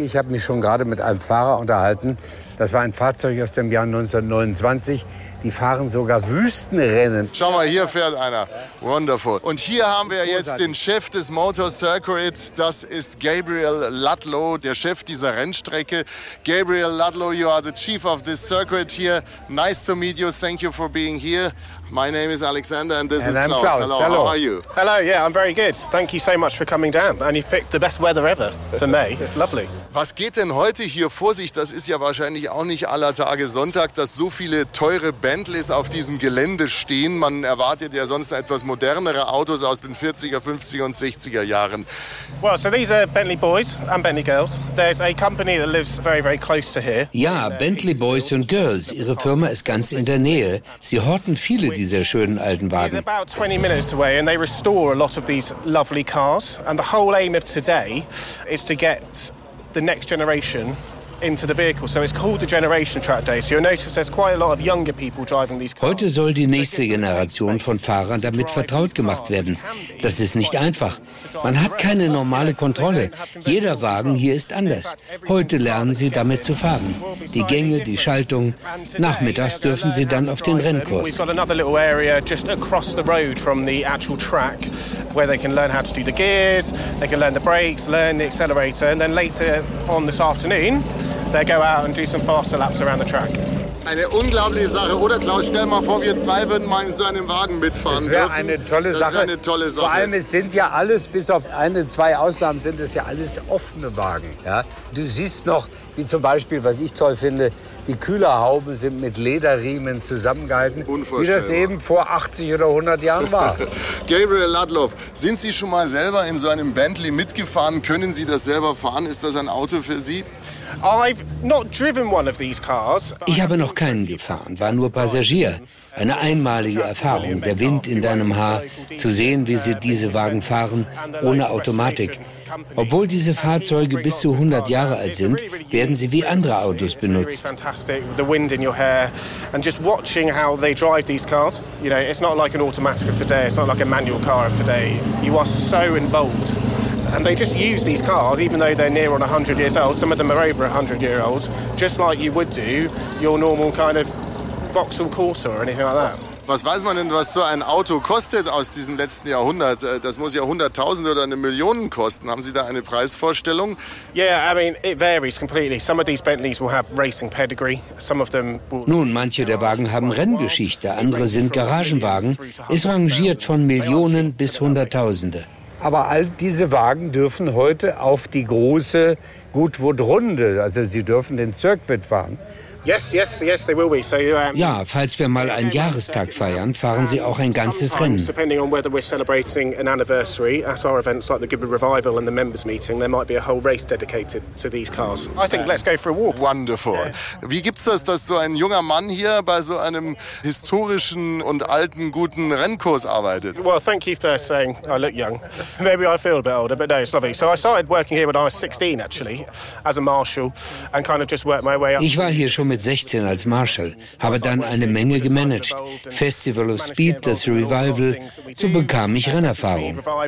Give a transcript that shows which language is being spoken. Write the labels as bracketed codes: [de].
[de] Ich habe mich schon gerade mit einem Fahrer unterhalten. Das war ein Fahrzeug aus dem Jahr 1929. Die fahren sogar Wüstenrennen. Schau mal, hier fährt einer. [en] Wonderful. [de] Und hier haben wir jetzt den Chef des Motor Circuit. Das ist Gabriel Ludlow, der Chef dieser Rennstrecke. [en] Gabriel Ludlow, you are the chief of this circuit here. Nice to meet you. Thank you for being here. My name is Alexander and this and is Klaus. Hello, how are you? Hello, yeah, I'm very good. Thank you so much for coming down. And you've picked the best weather ever for May. It's lovely. [de] Was geht denn heute hier vor sich? Das ist ja wahrscheinlich auch nicht aller Tage Sonntag, dass so viele teure Bentleys auf diesem Gelände stehen. Man erwartet ja sonst etwas modernere Autos aus den 40er, 50er und 60er Jahren. [en] Well, so these are Bentley boys and Bentley girls. There's a company that lives very, very close to here. [de] Ja, Bentley Boys and Girls. Ihre Firma ist ganz in der Nähe. Sie horten viele dieser schönen alten Wagen. [en] It's about 20 minutes away and they restore a lot of these lovely cars. And the whole aim of today is to get the next generation into the vehicle. So it's called the Generation Track Day. So you'll notice there's quite a lot of younger people driving these cars. [de] Heute soll die nächste Generation von Fahrern damit vertraut gemacht werden. Das ist nicht einfach. Man hat keine normale Kontrolle. Jeder Wagen hier ist anders. Heute lernen sie damit zu fahren. Die Gänge, die Schaltung. Nachmittags dürfen sie dann auf den Rennkurs. [en] We've got another little area just across the road from the actual track where they can learn how to do the gears, they can learn the brakes, learn the accelerator and then later on this afternoon they go out and do some faster laps around the track. [de] Eine unglaubliche Sache, oder Klaus? Stell mal vor, wir zwei würden mal in so einem Wagen mitfahren dürfen. Das wäre eine tolle Sache. Das wäre eine tolle Sache. Vor allem, es sind ja alles, bis auf eine, zwei Ausnahmen, sind es ja alles offene Wagen. Ja? Du siehst noch, wie zum Beispiel, was ich toll finde, die Kühlerhauben sind mit Lederriemen zusammengehalten. Unvorstellbar. Wie das eben vor 80 oder 100 Jahren war. Gabriel Ludlow, sind Sie schon mal selber in so einem Bentley mitgefahren? Können Sie das selber fahren? Ist das ein Auto für Sie? [en] I've not driven one of these cars. [de] Ich habe noch keinen gefahren, war nur Passagier. Eine einmalige Erfahrung, der Wind in deinem Haar, zu sehen, wie sie diese Wagen fahren, ohne Automatik. Obwohl diese Fahrzeuge bis zu 100 Jahre alt sind, werden sie wie andere Autos benutzt. [en] The wind in your hair and just watching how they drive these cars, you know, it's not like an automatic of today, it's not like a manual car of today. You are so involved. And they just use these cars, even though they're near on 100 years old, some of them are over 100 years old, just like you would do your normal kind of Vauxhall Corsa or anything like that. [de] Was weiß man denn, was so ein Auto kostet aus diesen letzten Jahrhundert? Das muss ja Hunderttausende oder eine Million kosten. Haben Sie da eine Preisvorstellung? [en] Yeah, I mean, it varies completely. Some of these Bentleys will have racing pedigree. Some of them will. [de] Nun, manche der Wagen haben Renngeschichte, andere sind Garagenwagen. Es rangiert von Millionen bis Hunderttausende. Aber all diese Wagen dürfen heute auf die große Goodwood-Runde, also sie dürfen den Circuit fahren. [en] Yes, yes, yes, they will be. So, [de] ja, falls wir mal einen Jahrestag feiern, fahren sie auch ein ganzes Rennen. [en] Depending on whether we're celebrating an anniversary, as our events like the Goodwood Revival and the Members Meeting, there might be a whole race dedicated to these cars. I think let's go for a walk. Wonderful. [de] Wie gibt's das, dass so ein junger Mann hier bei so einem historischen und alten guten Rennkurs arbeitet? [en] Well, thank you for saying I look young. Maybe I feel a bit older, but no, it's lovely. So I started working here when I was 16, actually, as a marshal, and kind of just worked my way up. [de] Ich war hier schon mit 16 als Marshall, habe dann eine Menge gemanagt. Festival of Speed, das Revival, so bekam ich Rennerfahrung.